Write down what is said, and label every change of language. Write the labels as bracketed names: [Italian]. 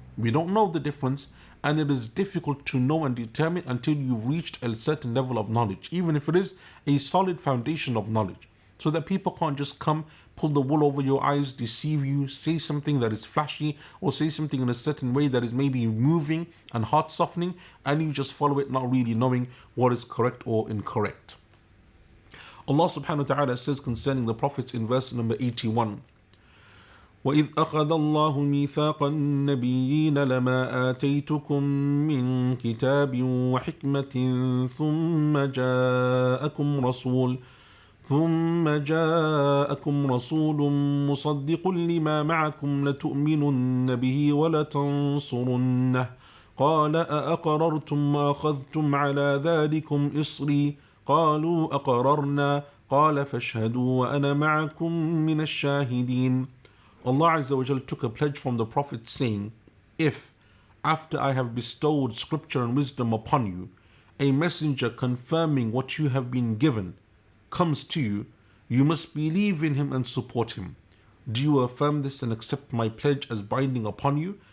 [English] We don't know the difference, and it is difficult to know and determine until you've reached a certain level of knowledge, even if it is a solid foundation of knowledge, so that people can't just come, pull the wool over your eyes, deceive you, say something that is flashy, or say something in a certain way that is maybe moving and heart-softening, and you just follow it, not really knowing what is correct or incorrect. Allah subhanahu wa ta'ala says concerning the prophets in verse number 81, [Arabic] وَإِذْ أَخَذَ اللَّهُ مِيثَاقَ النَّبِيِّينَ لَمَا آتَيْتُكُمْ مِنْ كِتَابٍ وَحِكْمَةٍ ثُمَّ جَاءَكُمْ رَسُولٌ ثم جاءكم رسول مصدق لما معكم لتؤمنن به ولتنصرنه قال أأقررتم وأخذتم على ذلكم إصري قالوا أقررنا قال فاشهدوا وأنا معكم من الشاهدين. [English] Allah Azza wa Jalla took a pledge from the Prophet saying, if after I have bestowed scripture and wisdom upon you, a messenger confirming what you have been given comes to you, you must believe in him and support him. Do you affirm this and accept my pledge as binding upon you?